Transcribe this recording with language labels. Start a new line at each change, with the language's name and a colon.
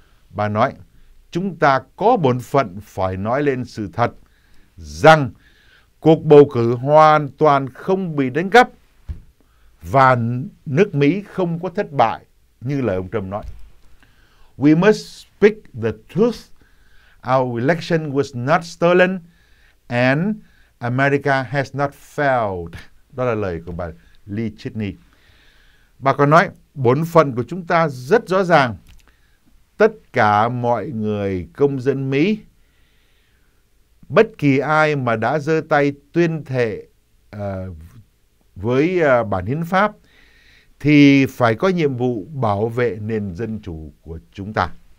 Vietnamese: Bà nói, chúng ta có bổn phận phải nói lên sự thật rằng cuộc bầu cử hoàn toàn không bị đánh cắp và nước Mỹ không có thất bại như lời ông Trump nói.
English: We must speak the truth. Our election was not stolen and America has not failed.
Vietnamese: Đó là lời của bà Liz Cheney. Bà còn nói, bổn phận của chúng ta rất rõ ràng. Tất cả mọi người công dân Mỹ, bất kỳ ai mà đã giơ tay tuyên thệ với bản hiến pháp, thì phải có nhiệm vụ bảo vệ nền dân chủ của chúng ta.